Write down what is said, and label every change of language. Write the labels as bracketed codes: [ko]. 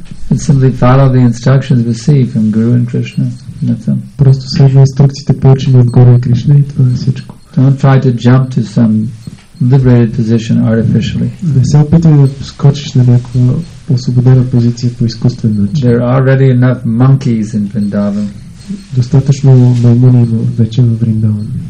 [en] But simply follow the instructions we see from Guru and Krishna. That's all. [bg] Просто следва инструкциите, получени от Гуру и Кришна, и това е всичко. [en] Don't try to jump to some liberated position artificially. [bg] Не се опитвай да скочиш на някаква освободена позиция по изкуствен начин. [en] There are already enough monkeys in Vrindavan. [bg] Достатъчно маймуни вече в Вриндаван.